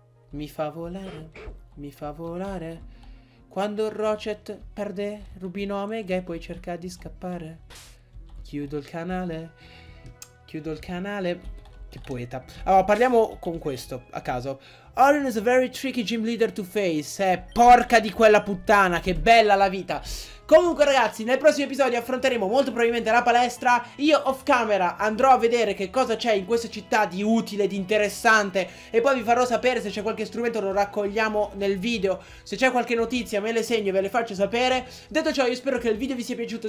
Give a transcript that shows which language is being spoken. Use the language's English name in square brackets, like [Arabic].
[Italian] Mi fa volare, mi fa volare. Quando Rocket perde Rubino Omega e poi cerca di scappare. Chiudo il canale. Chiudo il canale. Che poeta. Allora, parliamo con questo, a caso. [English] Orin is a very tricky gym leader to face. [Italian] Porca di quella puttana, che bella la vita. Comunque, ragazzi, nel prossimo episodio affronteremo molto probabilmente la palestra. Io off camera andrò a vedere che cosa c'è in questa città di utile, di interessante. E poi vi farò sapere se c'è qualche strumento, lo raccogliamo nel video. Se c'è qualche notizia, me le segno e ve le faccio sapere. Detto ciò, io spero che il video vi sia piaciuto.